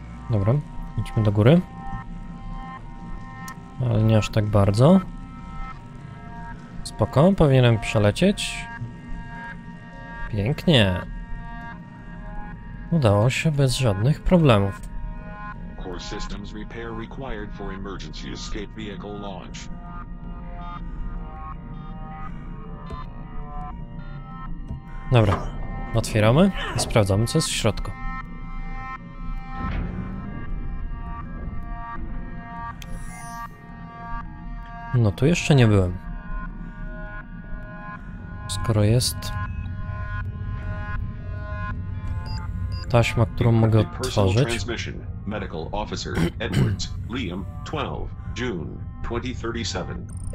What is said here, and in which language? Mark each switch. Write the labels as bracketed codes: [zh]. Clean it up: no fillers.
[pl] Dobra, idźmy do góry. Ale nie aż tak bardzo. Spoko, powinienem przelecieć. Pięknie. Udało się bez żadnych problemów. [en] Core systems repair required for emergency escape vehicle launch. [pl] Dobra, otwieramy i sprawdzamy, co jest w środku. No tu jeszcze nie byłem. Skoro jest... taśma, którą mogę otworzyć. [en] Medical officer Edwards, Liam, 12, June 2037.